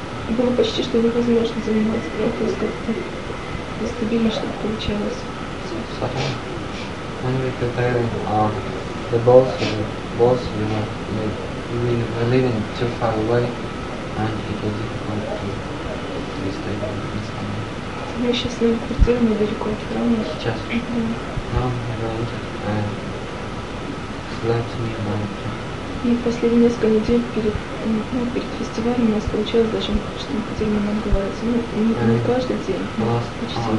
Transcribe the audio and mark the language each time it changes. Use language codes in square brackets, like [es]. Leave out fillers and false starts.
[ru] Было почти что невозможно заниматься, но то есть как-то нестабильно что-то получалось. [en] When we prepare the balls, you know, we are living too far away, and it was difficult to be stable in this moment. [ru] Мы сейчас на квартире недалеко от храма. Сейчас. [en] Now we rent and slept nearby. [ru] И последние несколько недель перед фестивалем у нас получалось даже что мы хотели немного говорить. Ну, не каждый день, но почти.